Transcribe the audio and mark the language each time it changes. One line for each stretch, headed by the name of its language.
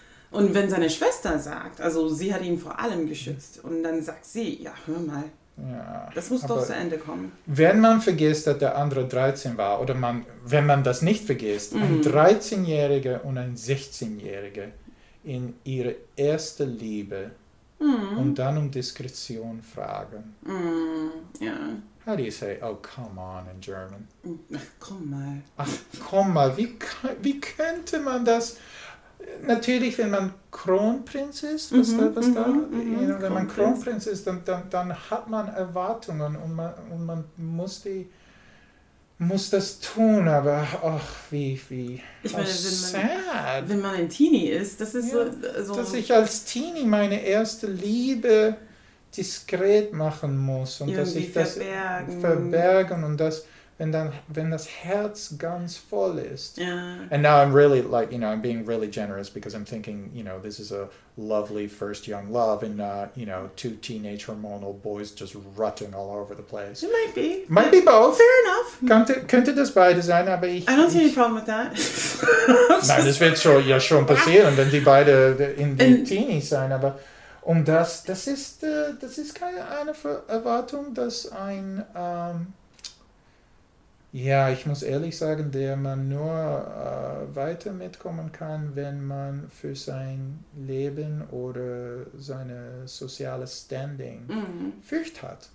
German: Und wenn seine Schwester sagt, also sie hat ihn vor allem geschützt, und dann sagt sie, ja, hör mal, das muss doch zu Ende kommen. Wenn man vergisst, dass der andere 13 war, oder wenn man das nicht vergisst, ein 13-Jähriger und ein 16-Jähriger in ihre erste Liebe und dann um Diskretion fragen. Ja.
English: How do you say, oh, come on, in German?
German: Ach, komm mal. Ach, komm mal, wie könnte man das... Natürlich, wenn man Kronprinz ist, dann hat man Erwartungen und man muss das tun, aber ach, wie ich meine, wenn man ein Teenie ist, das ist so... Dass ich als Teenie meine erste Liebe diskret machen muss und dass ich das verbergen und das... Wenn das Herz ganz voll ist.
English: Yeah. And now I'm really, like, you know, I'm being really generous because I'm thinking, you know, this is a lovely first young love and, you know, two teenage hormonal boys just rutting all over the place. It might be. Might be both. Fair enough.
German: Könnte das beide sein, aber ich...
English: I don't see any problem with that.
German: Nein, das wird schon passieren, wenn die beide in die Teenies sein, aber... Und das ist keine Erwartung, dass ein, ja, ich muss ehrlich sagen, der man nur weiter mitkommen kann, wenn man für sein Leben oder seine soziale Standing Furcht hat.